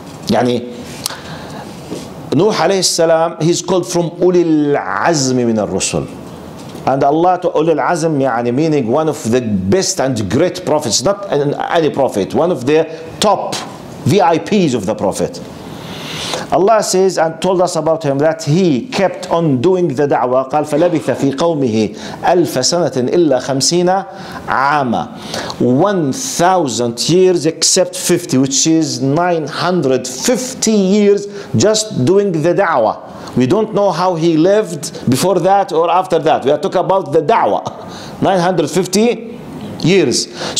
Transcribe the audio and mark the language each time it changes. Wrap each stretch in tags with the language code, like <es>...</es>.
<ar>يعني نوح عليه السلام,</ar> <en>he's called from</en> <ar>أولي العزم من الرسل.</ar> <en>And Allah to أولي العزم, يعني meaning one of the best and great prophets, not any prophet, one of the top VIPs of the prophet. Allah says and told us about him that he kept on doing the da'wah.</en> <ar>قال فلبث في قومه ألف سنة إلا خمسين عاما.</ar> <en>1,000 years except 50, which is 950 years just doing the da'wah. We don't know how he lived before that or after that. We are talking about the da'wah. 950 years.</en>